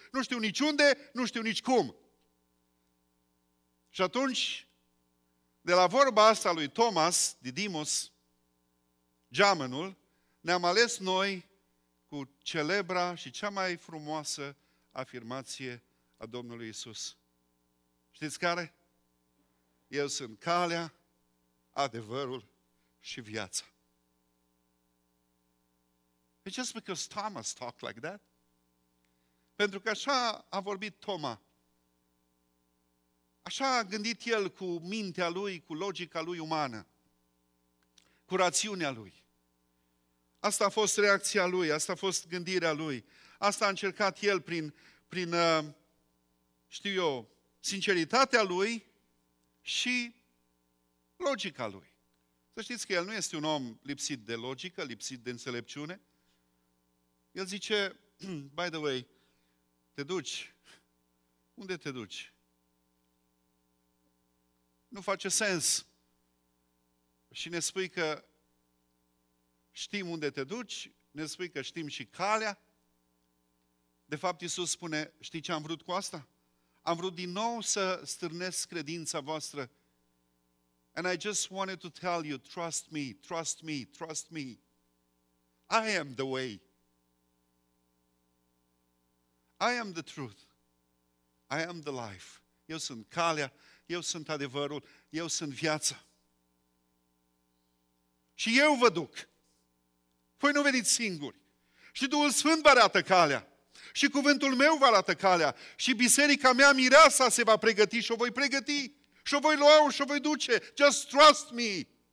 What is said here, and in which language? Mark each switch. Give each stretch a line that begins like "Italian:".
Romanian: Nu știu nici unde, nu știu nici cum. Și atunci, de la vorba asta lui Thomas Didimus, geamănul, ne-am ales noi cu celebra și cea mai frumoasă afirmație a Domnului Iisus. Știți care? Eu sunt calea, adevărul și viața.
English: It's just because Thomas talked like that.
Romanian: Pentru că așa a vorbit Toma. Așa a gândit el cu mintea lui, cu logica lui umană, cu rațiunea lui. Asta a fost reacția lui, asta a fost gândirea lui. Asta a încercat el prin știu eu, sinceritatea lui și logica lui. Să știți că el nu este un om lipsit de logică, lipsit de înțelepciune. El zice,
English: by the way,
Romanian: te duci? Unde te duci? Nu face sens. Și ne spui că știm unde te duci, ne spui că știm și calea. De fapt, Iisus spune, știi ce am vrut cu asta? Am vrut din nou să stârnesc credința voastră.
English: And I just wanted to tell you, trust me, trust me, trust me. I am the way. I am the truth, I am the life,
Romanian: eu sunt calea, eu sunt adevărul, eu sunt viața. Și eu vă duc, voi nu veniți singuri, și Duhul Sfânt vă arată calea, și cuvântul meu vă arată calea, și biserica mea, mireasa, se va pregăti și o voi pregăti, și o voi lua și o voi duce,
English: just trust me.